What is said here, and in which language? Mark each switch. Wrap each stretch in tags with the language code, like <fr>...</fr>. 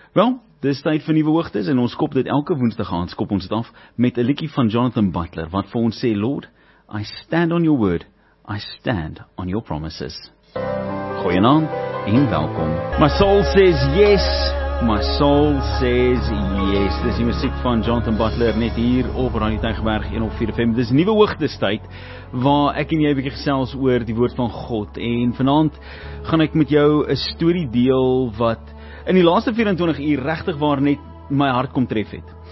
<af>Wel, dis tyd vir nuwe hoogtes en ons skop dit elke woensdag aan, skop ons dit af met 'n liedjie van Jonathan Butler wat vir ons sê,</af> <en>Lord, I stand on your word, I stand on your promises.</en> <af>Goeienaand en welkom.</af> <en>My soul says yes, my soul says yes.</en> <af>Dis die musiek van Jonathan Butler net hier op Radio Tygerberg 104 FM. Dis nuwe hoogtes tyd waar ek en jy 'n bietjie gesels oor die woord van God en vanaand gaan ek met jou 'n storie deel wat in die laaste 24 uur regtig waar net my hart kom tref het.</af>